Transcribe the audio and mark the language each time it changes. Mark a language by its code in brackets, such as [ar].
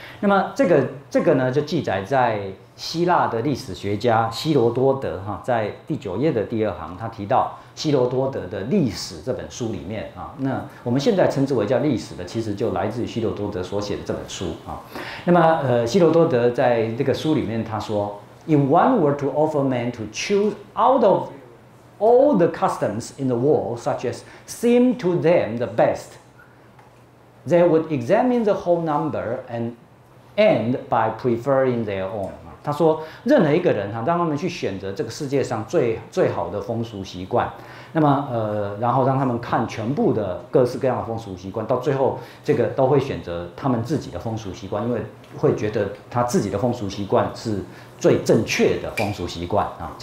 [zh] 那么这个呢，就记载在希腊的历史学家希罗多德哈，在第九页的第二行，他提到希罗多德的历史这本书里面啊。那我们现在称之为叫历史的，其实就来自于希罗多德所写的这本书啊。那么希罗多德在这个书里面他说 [en] ，If one were to offer man to choose out of all the customs in the world, such as seem to them the best. They would examine the whole number and end by preferring their own. [zh] 他说，任何一个人哈，让他们去选择这个世界上最好的风俗习惯，那么然后让他们看全部的各式各样的风俗习惯，到最后这个都会选择他们自己的风俗习惯，因为会觉得他自己的风俗习惯是最正确的风俗习惯啊。